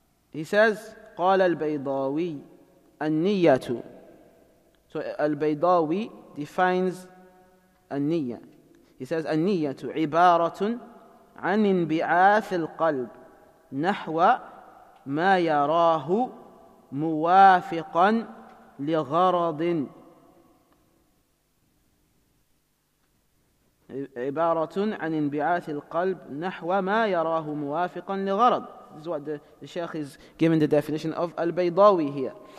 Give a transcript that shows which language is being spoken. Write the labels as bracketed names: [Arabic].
[English] He says, [Arabic] قَالَ الْبَيْضَاوِي النِّيَّةُ. [English] So الْبَيْضَاوِي defines النِّيَّةُ. He says, [Arabic] النِّيَّةُ عِبَارَةٌ عَنِ انْبِعَاثِ الْقَلْبِ نَحْوَ مَا يَرَاهُ مُوَافِقًا لِغَرَضٍ. عبارة عن انبعاث القلب نحو ما يراه موافقا لغرض. [English] This is what the Sheikh is giving the definition of al-Baydawi here.